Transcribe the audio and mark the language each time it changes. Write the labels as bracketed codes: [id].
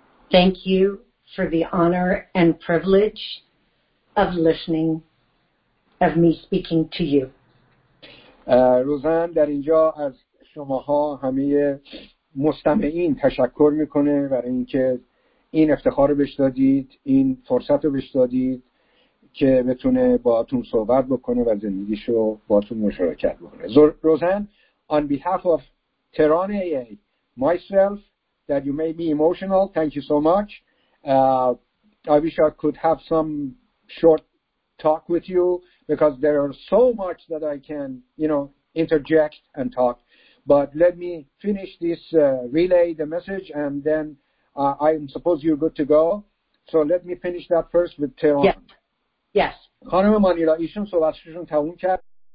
[en] Thank you for the honor and privilege of listening of me speaking to you. [fa] روزن در اینجا از شماها همه مستمعین تشکر میکنه برای اینکه این افتخار رو بهش دادید, این فرصت رو بهش دادید که بتونه باهاتون صحبت بکنه و زندگیشو باهاتون مشارکت بکنه. [en] Rosen, on behalf of Tehran AA, myself, that you made me emotional, thank you so much. I wish I could have some short talk with you because there are so much that I can, you know, interject and talk. But let me finish this, relay the message, and then I suppose you're good to go. So let me finish that first with Tehran. Yes. [fa] خانم مانیلا ایشون صحبتشون تموم کرد.